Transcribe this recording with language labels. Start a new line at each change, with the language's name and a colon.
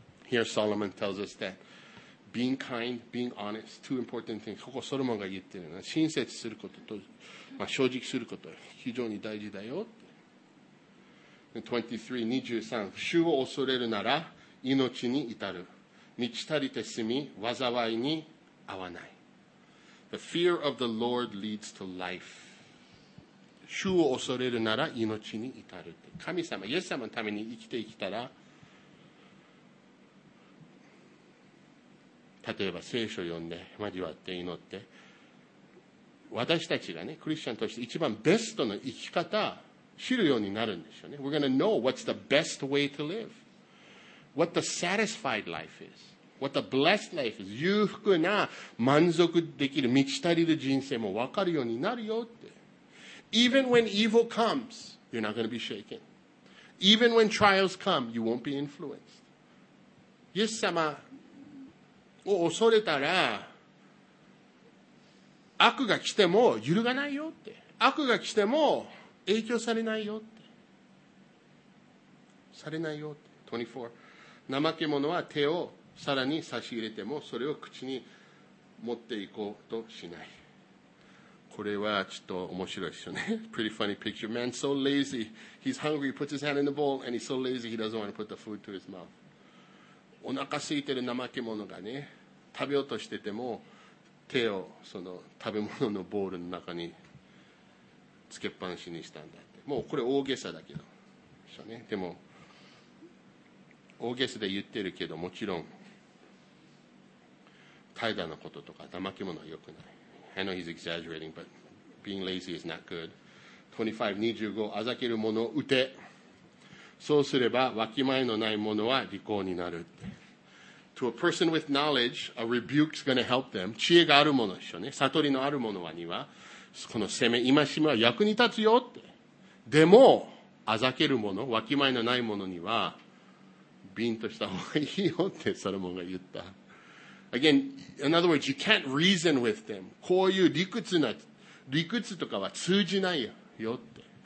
English: Here Solomon tells us that being kind, being honest, two important things.
Japanese: ここソロモンが言ってるのは親切することと、まあ、正直すること非常に大事だよ。 23-23 主を恐れるなら命に至る、満ち足りて済み災いに合わない。
English: The fear of the Lord leads to life.
Japanese: 主を恐れるなら命に至る。神様、イエス様のために生きていきたら、例えば聖書を読んで、交わって祈って、私たちがね、クリスチャンとして一番ベストの生き方を知るようになるんですよね。
English: We're going to know what's the best way to live. What the satisfied life is. What a blessed life is.
Japanese: 裕福な満足できる満ち足りる人生も分かるようになるよって。
English: Even when evil comes, you're not going to be shaken. Even when trials come, you won't be influenced.
Japanese: イエス様を恐れたら悪が来ても揺るがないよって。悪が来ても影響されないよって。されないよって。24. 怠け者は手をさらに差し入れてもそれを口に持っていこうとしない。これはちょっと面白いですよね。
English: Pretty funny picture. Man so lazy. He's hungry. He puts his hand in the bowl and he's so lazy he doesn't want to put the food to his mouth.
Japanese: お腹空いてる怠け者がね、食べようとしてても手をその食べ物のボウルの中につけっぱなしにしたんだって。もうこれ大げさだけど、しょね。でも大げさで言ってるけど、もちろん怠惰のこととか怠け者は良くない。
English: I know he's exaggerating, but being lazy is not good.
Japanese: 25-25 あざける者を打て、そうすればわきまえのない者は利口になる。
English: To a person with knowledge, a rebuke is going to help them.
Japanese: 知恵がある者でしょうね。悟りのある者はにはこの責め戒めは役に立つよって。でもあざける者、わきまえのない者にはビンとした方がいいよってソロモンが言った。
English: Again, in other words, you can't reason with them.
Japanese: こういう理屈とかは通じないよって。